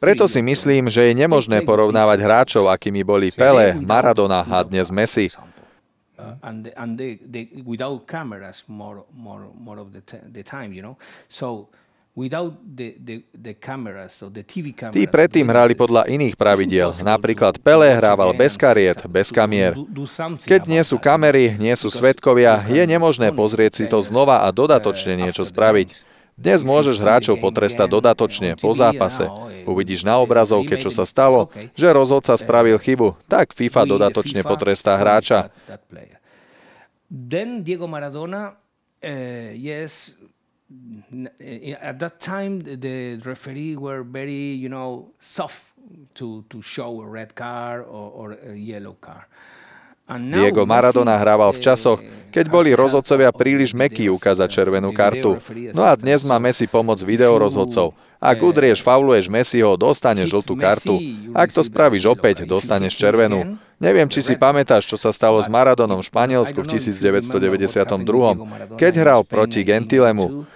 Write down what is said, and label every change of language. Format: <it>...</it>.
<sk>Preto si myslím, že je nemožné porovnávať hráčov, akými boli Pelé, Maradona a dnes Messi.</sk> <en>And they without cameras more of the time, you know, so without the cameras or the TV cameras.</en> <sk>Tí predtým hrali podľa iných pravidiel, napríklad Pelé hrával bez kariet, bez kamier. Keď nie sú kamery, nie sú svedkovia, je nemožné pozrieť si to znova a dodatočne niečo spraviť. Dnes môžeš hráčov potrestať dodatočne, po zápase. Uvidíš na obrazovke, čo sa stalo, že rozhodca spravil chybu. Tak FIFA dodatočne potrestá hráča.</sk> <en>Then Diego Maradona, yes, at that time the referee were very, you know, soft to show a red card or a yellow card.</en> <sk>Diego Maradona hrával v časoch, keď boli rozhodcovia príliš mäkkí ukázať červenú kartu. No a dnes má Messi pomoc videorozhodcov. Ak udrieš, fauluješ Messiho, dostaneš žltú kartu. Ak to spravíš opäť, dostaneš červenú. Neviem, či si pamätáš, čo sa stalo s Maradonom v Španielsku v 1992, keď hral proti Gentilemu.</sk>